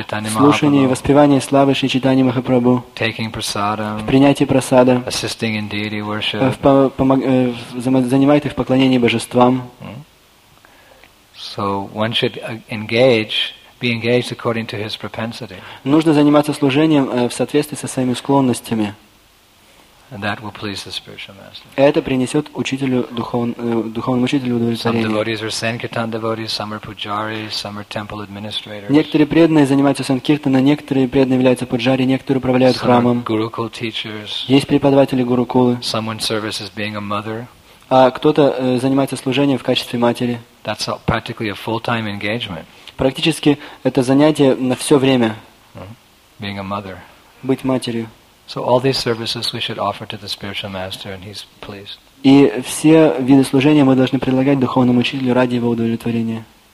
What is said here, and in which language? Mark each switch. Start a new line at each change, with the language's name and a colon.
Russian: Слушание и воспевание славы Шри Чайтаньи Махапрабху.
English: Taking prasadam.
Russian: В принятии прасада.
English: Assisting in deity worship.
Russian: Занимает их в поклонении божествам.
English: So one should be engaged according to his propensity.
Russian: Нужно заниматься служением в соответствии со своими склонностями.
English: That will please the spiritual master.
Russian: Это принесет учителю духовному учителю удовлетворение.
English: Some devotees are sankirtan devotees, some are pujaris, some are temple administrators.
Russian: Некоторые преданные занимаются санкиртана, некоторые преданные являются пуджари, некоторые управляют храмом.
English: Gurukul teachers.
Russian: Есть преподаватели гурукулы.
English: Someone serves as being a mother.
Russian: А кто-то занимается служением в качестве матери.
English: That's practically a full-time engagement.
Russian: Практически это занятие на все время.
English: Being a mother.
Russian: Быть матерью.
English: So all these services we should offer to the spiritual master, and he's pleased.
Russian: И все виды служения мы должны предлагать духовному учителю ради его удовлетворения.